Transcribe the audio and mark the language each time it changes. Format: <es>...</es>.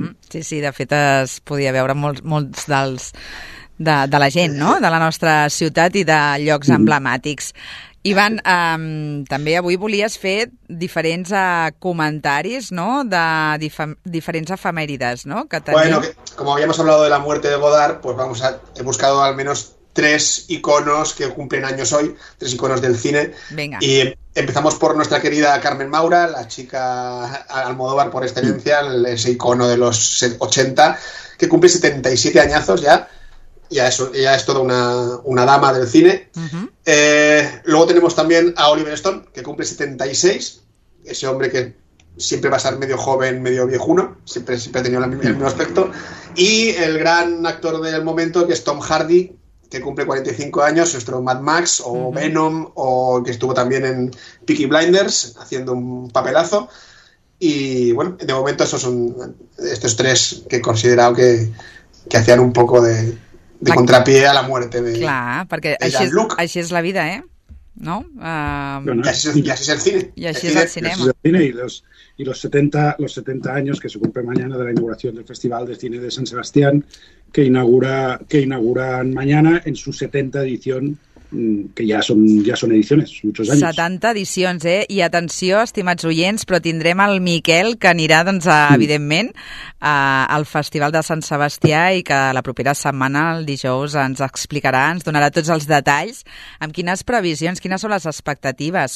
<ca>Sí, de fet es podia veure molts dels de la gent, no? De la nostra ciutat i de llocs emblemàtics. Ivan, també avui volies fer diferents comentaris, no? De diferents efemèrides, no? Que tenim.</ca> <es>Bueno, como habíamos hablado de la muerte de Godard, pues he buscado al menos tres iconos que cumplen años hoy, tres iconos del cine. Venga. Y empezamos por nuestra querida Carmen Maura, la chica Almodóvar por excelencia, ese icono de los 80, que cumple 77 añazos ya. Ya es toda una dama del cine. Luego tenemos también a Oliver Stone, que cumple 76, ese hombre que siempre va a ser medio joven, medio viejuno, siempre ha tenido el mismo aspecto. Y el gran actor del momento, que es Tom Hardy, que cumple 45 años, nuestro Mad Max, o uh-huh. Venom, o que estuvo también en Peaky Blinders, haciendo un papelazo. Y bueno, de momento esos son estos tres que he considerado que hacían un poco de contrapié a la muerte de Jean-Luc.</es> <ca>Clar, perquè així és la vida, eh? No? I així és el cinema.</ca> <es>I los 70 anys que se cumple mañana de la inauguración del Festival de Cine de San Sebastián, que inauguran mañana en su 70 edició,</es> <ca>que ja són edicions,</ca> <es>muchos años.</es> <ca>70 edicions, eh? I atenció, estimats oients, però tindrem el Miquel, que anirà, doncs, evidentment, al Festival de Sant Sebastià i que la propera setmana, el dijous, ens explicarà, ens donarà tots els detalls. Amb quines previsions, quines són les expectatives?</ca>